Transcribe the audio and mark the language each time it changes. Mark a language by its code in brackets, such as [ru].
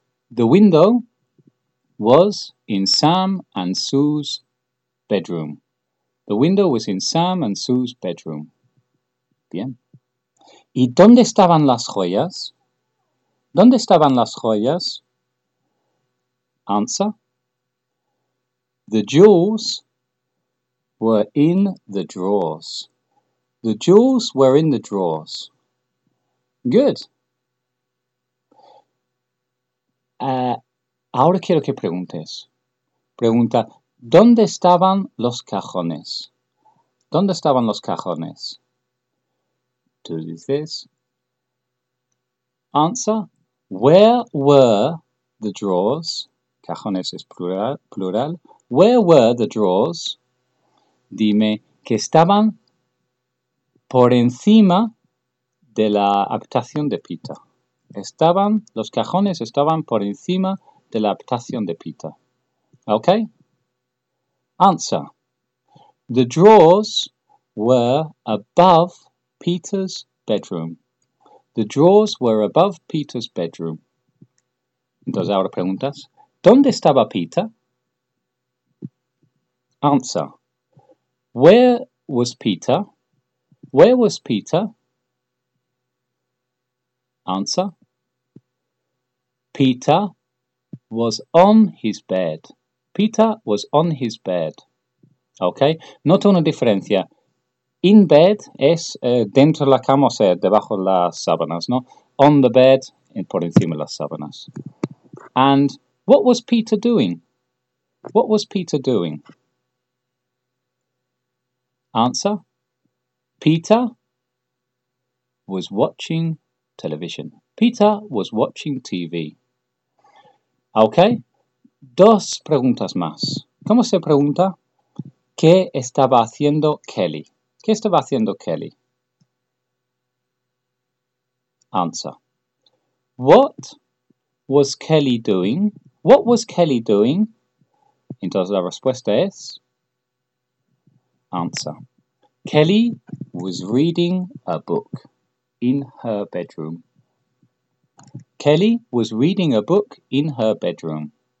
[en] The window was in Sam and Sue's bedroom. The window was in Sam and Sue's bedroom. [es] Bien. ¿Y dónde estaban las joyas? ¿Dónde estaban las joyas? [en] Answer. The jewels were in the drawers. The jewels were in the drawers. Good. [es] Ahora quiero que preguntes. Pregunta, ¿dónde estaban los cajones? ¿Dónde estaban los cajones? Tú dices. [en] Answer, where were the drawers? [es] Cajones es plural. [en] Where were the drawers? [es] Dime que estaban por encima de la habitación de Peter. Estaban, los cajones estaban por encima de la habitación de Peter. [en] ¿Ok? Answer. The drawers were above Peter's bedroom. The drawers were above Peter's bedroom. [es] Entonces ahora preguntas, ¿dónde estaba Peter? [en] Answer. Where was Peter? Where was Peter? Answer. Peter was on his bed. Peter was on his bed. Ok. [es] Nota una diferencia. In bed es dentro de la cama, o sea, debajo de las sábanas, ¿no? On the bed, por encima de las sábanas. [en] And what was Peter doing? What was Peter doing? Answer. Peter was watching television. Peter was watching TV. Ok. [es] Dos preguntas más. ¿Cómo se pregunta qué estaba haciendo Kelly? ¿Qué estaba haciendo Kelly? [en] Answer. What was Kelly doing? What was Kelly doing? [es] Entonces la respuesta es. [en] Answer. Kelly was reading a book in her bedroom. Kelly was reading a book in her bedroom.